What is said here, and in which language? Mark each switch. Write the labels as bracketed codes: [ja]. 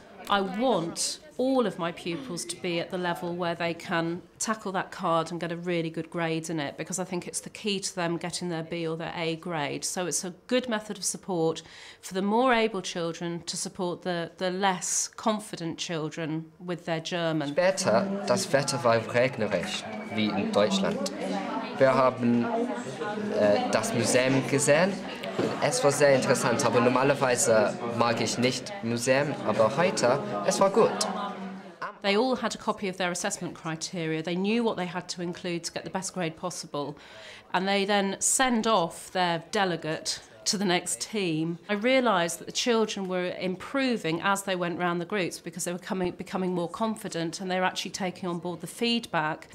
[en] I want all of my pupils to be at the level where they can tackle that card and get a really good grade in it, because I think it's the key to them getting their B or their A grade. So it's a good method of support for the more able children to support the less confident children with their German. [de] Später, das Wetter war regnerisch, wie in Deutschland. Wir haben das Museum gesehen. Es war sehr interessant, aber normalerweise mag ich nicht Museum, aber heute, es war gut. [en] They all had a copy of their assessment criteria. They knew what they had to include to get the best grade possible. And they then send off their delegate to the next team. I realised that the children were improving as they went round the groups because they were becoming more confident and they were actually taking on board the feedback.